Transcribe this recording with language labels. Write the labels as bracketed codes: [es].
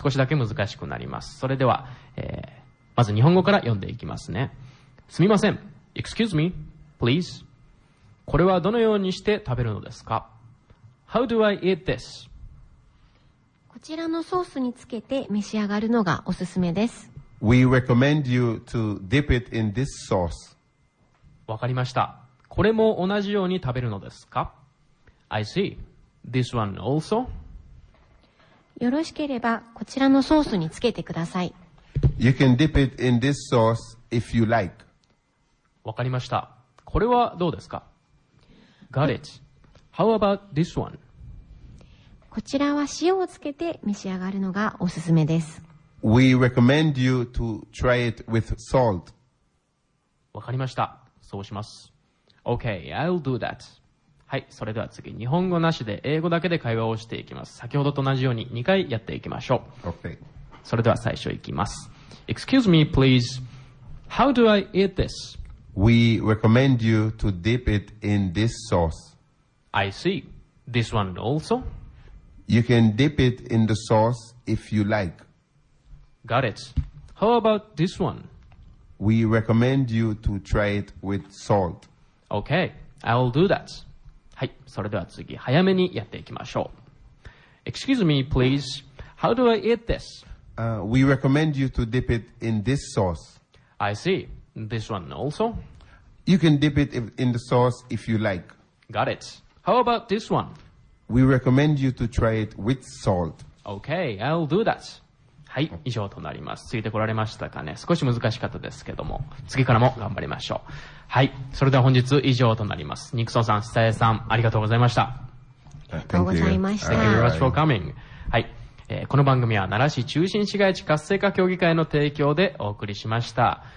[ja] 少しだけ難しくなります。それでは、まず日本語から読んでいきますね。すみません。 [en] Excuse me, please. [ja] これはどのようにして食べるのですか? [en] How do I eat this? [ja] こちらのソースにつけて召し上がるのがおすすめです。 [en] We recommend you to dip it in this sauce. [ja] わかりました。これも同じように食べるのですか? [en] I see. This one also? [ja] よろしければこちらのソースにつけてください。 [en] You can dip it in this sauce if you like. [ja] わかりました。これはどうですか? [en] Got it. How about this one? [ja] こちらは塩をつけて召し上がるのがおすすめです。 [en] We recommend you to try it with salt. [ja] わかりました。そうします。 [en] Okay, I'll do that. [ja] はい、それでは次、日本語なしで英語だけで会話をしていきます。先ほどと同じように2回やっていきましょう。 [en] Okay. [ja] それでは最初いきます。 [en] Excuse me, please. How do I eat this? We recommend you to dip it in this sauce. I see. This one also? You can dip it in the sauce if you like. Got it. How about this one? We recommend you to try it with salt. Okay, I'll do that. [ja] はい、それでは次、早めにやっていきましょう。 [en] Excuse me, please. How do I eat this? We recommend you to dip it in this sauce. I see. This one also? You can dip it in the sauce if you like. Got it. How about this one? We recommend you to try it with salt. Okay, I'll do that. [ja] はい、以上となります。ついてこられましたかね。少し難しかったですけども、次からも頑張りましょう。はい、それでは本日以上となります。ニクソンさん、久江さん、ありがとうございました。ありがとうございました。 [en] Thank you very much for coming. [ja] はい、この番組は奈良市中心市街地活性化協議会の提供でお送りしました。